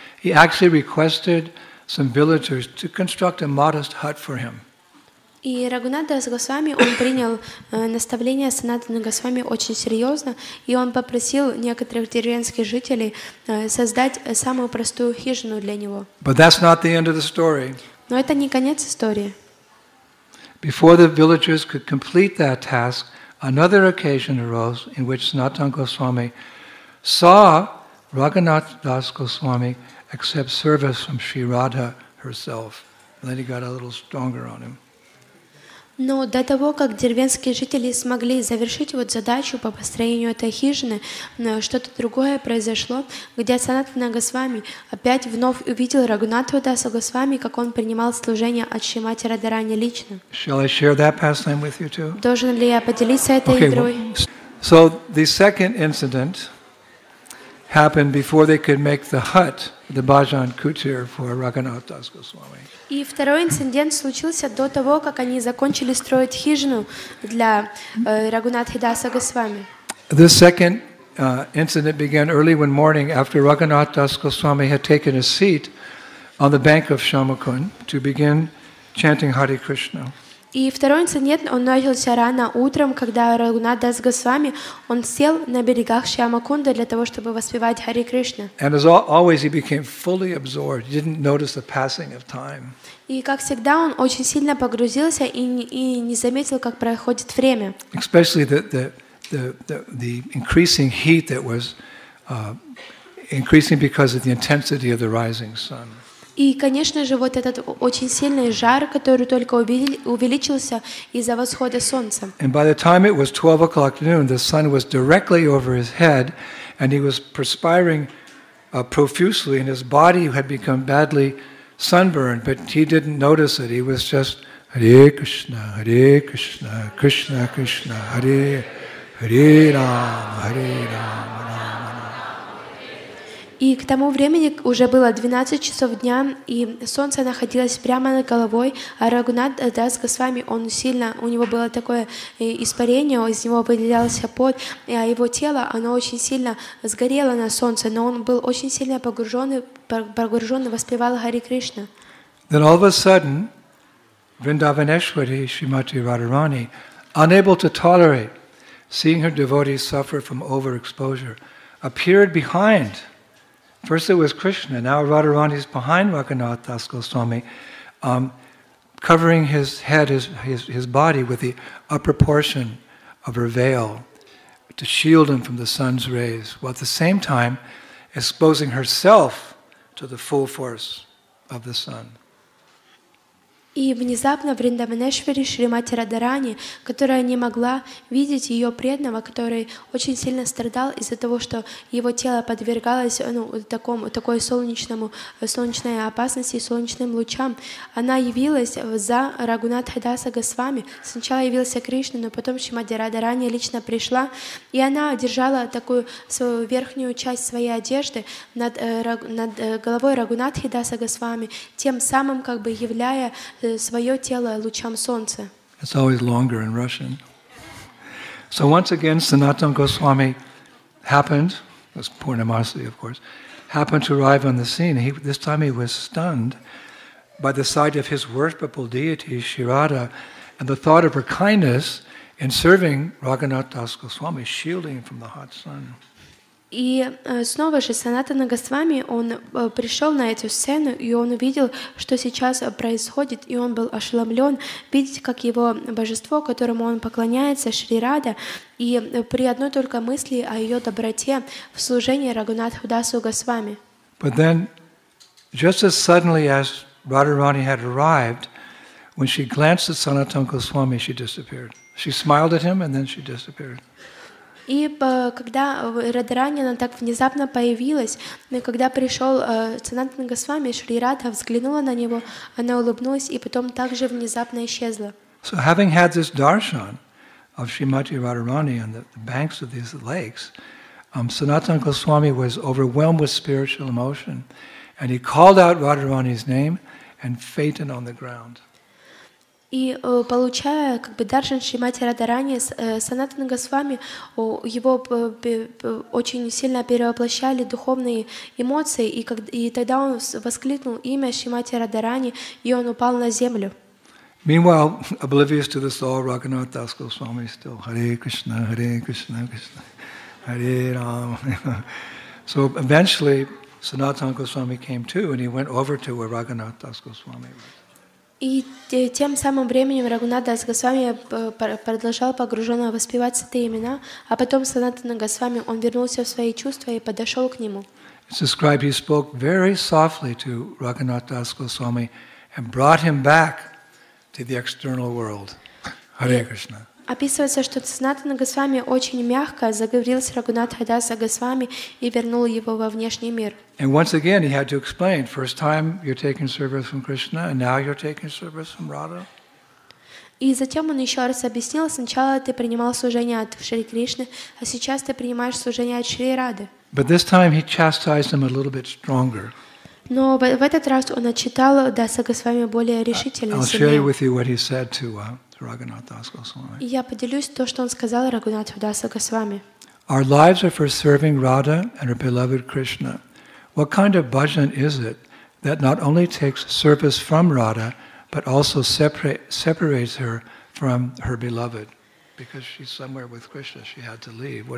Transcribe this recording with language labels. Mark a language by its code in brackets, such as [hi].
[en] He actually requested some villagers to construct a modest hut for him. [ru] И Рагунат Дас Госвами, он принял наставление Санатана Госвами очень серьезно, и он попросил некоторых деревенских жителей создать самую простую хижину для него. [en] But that's not the end of the story. [ru] Но это не конец истории. [en] Before the villagers could complete that task, another occasion arose in which Sanatana Goswami saw Raghunath Das Goswami accept service from Sri Radha herself. Then he got a little stronger on him. [ru] Но до того, как деревенские жители смогли завершить вот задачу по построению этой хижины, что-то другое произошло, где Санатана Госвами опять вновь увидел Рагунатху Даса Госвами, как он принимал служение от Шримати Радарани лично. [en] Shall I share that pastime with you too? [ru] Должен ли я поделиться этой игрой? [en] So the second incident happened before they could make the hut, the bhajan kutir for Raghunath Das Goswami. [ru] И второй инцидент случился до того, как они закончили строить хижину для Рагунатхи Даса Госвами. [en] The second incident began early one morning after Raghunath Das Goswami had taken a seat on the bank of Shamakund to begin chanting Hare Krishna. [ru] И второй инцидент, он начался рано утром, когда Рагунат Дас Госвами, он сел на берегах Шьямакунда для того, чтобы воспевать Хари Кришна. [en] And as always, he became fully absorbed, didn't notice the passing of time. [ru] И как всегда, он очень сильно погрузился и не заметил, как проходит время. [en] Especially the increasing heat that was increasing because of the intensity of the rising sun. [ru] И, конечно же, вот этот очень сильный жар, который только увеличился из-за восхода солнца. [en] And by the time it was 12 o'clock noon, the sun was directly over his head, and he was perspiring profusely, and his body had become badly sunburned, but he didn't notice it. He was just Hare Krishna, Krishna Krishna, Hare, Hare Rama, Hare Rama. [ru] И к тому времени уже было 12 часов дня, и солнце находилось прямо над головой, а Рагунат Дас Госвами, он сильно, у него было такое испарение, из него выделялся пот, а его тело, оно очень сильно сгорело на солнце, но он был очень сильно погружен и воспевал Хари Кришна. [en] Then all of a sudden, Vrindavaneshwari Shrimati Radharani, unable to tolerate seeing her devotees suffer from overexposure, appeared behind. First it was Krishna, now Radharani is behind Raghunath Das Goswami, covering his head, his body with the upper portion of her veil to shield him from the sun's rays, while at the same time exposing herself to the full force of the sun. [ru] И внезапно Вриндаванешвари Шримати Радарани, которая не могла видеть ее преданного, который очень сильно страдал из-за того, что его тело подвергалось такой солнечной опасности, солнечным лучам, она явилась за Рагунатха Даса Госвами. Сначала явился Кришна, но потом Шримати Радарани лично пришла, и она держала такую свою верхнюю часть своей одежды над головой Рагунатхи Даса Госвами, тем самым как бы являя свое тело лучам солнца. [en] It's always longer in Russian. So once again, Sanatana Goswami happened, it was Purnamasi, of course, happened to arrive on the scene. This time he was stunned by the sight of his worshipable deity, Sri Radha, and the thought of her kindness in serving Raghunath Das Goswami, shielding him from the hot sun. [ru] И снова же Санатана Госвами, он пришел на эту сцену, и он увидел, что сейчас происходит, и он был ошеломлен видеть, как его божество, которому он поклоняется, Шри Рада, и при одной только мысли о ее доброте в служении Рагхунатху Дасу Госвами. [en] But then, just as suddenly as Radharani had arrived, when she glanced at Sanatana Goswami, she disappeared. She smiled at him, and then she disappeared. [ru] И когда Радхарани она так внезапно появилась, когда пришел Санатана Госвами, Шри Радха взглянула на него, она улыбнулась и потом также внезапно исчезла. [en] So having had this darshan of Srimati Radharani on the banks of these lakes, Sanatana Goswami was overwhelmed with spiritual emotion, and he called out Radharani's name and fainted on the ground. [ru] И получая как бы даршан Шримати Радхарани, Санатана Госвами, его очень сильно перевоплощали духовные эмоции, и тогда он воскликнул имя Шримати Радхарани, и он упал на землю. [en] Meanwhile, oblivious to this all, Raghunath Das Goswami still, Hare Krishna, Hare Krishna, Krishna, Hare Rama. So eventually, Sanatana Goswami came too, and he went over to where Raghunath Das Goswami was. [ru] И тем самым временем Рагхунат Дас Госвами продолжал погруженно воспевать святые имена, а потом Санатана Госвами он вернулся в свои чувства и подошел к нему. [en] It's described he spoke very softly to Raghunath Das Goswami and brought him back to the external world. Hare Krishna. [ru] Описывается, что Санатана Госвами очень мягко заговорил с Рагхунатхой Даса Госвами и вернул его во внешний мир. [en] And once again, he had to explain: first time you're taking service from Krishna, and now you're taking service from Radha. [ru] И затем он еще раз объяснил: сначала ты принимал служение от Шри Кришны, а сейчас ты принимаешь служение от Шри Рады. [en] But this time he chastised him a little bit stronger. [ru] Но в этот раз он отчитал Даса Госвами более решительно. [en] I'll share with you what he said to. Raghunath Das Goswami. [ru] Я поделюсь то, что он сказал Рагхунатху Дасу Госвами. [en] Our lives are for serving Radha and her beloved Krishna. What kind of bhajan is it that not only takes service from Radha but also separates her from her beloved because she's somewhere with Krishna, she had to leave.